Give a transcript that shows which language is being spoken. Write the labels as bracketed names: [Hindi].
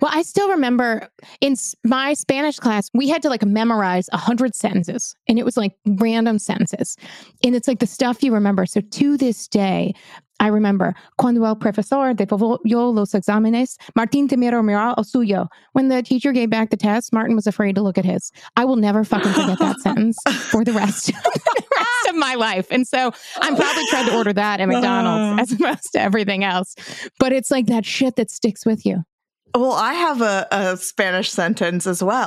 [English] Well, I still remember in my Spanish class, we had to like memorize 100 sentences and it was like random sentences. And it's like the stuff you remember. So to this day, I remember, [Spanish] cuando el profesor devolvió los exámenes, Martín temió mirar al suyo. [English] When the teacher gave back the test, Martin was afraid to look at his. I will never fucking forget that sentence for the rest of my life. And so I'm probably trying to order that at McDonald's as opposed to everything else. But it's like that shit that sticks with you. Well, I have a Spanish sentence as well.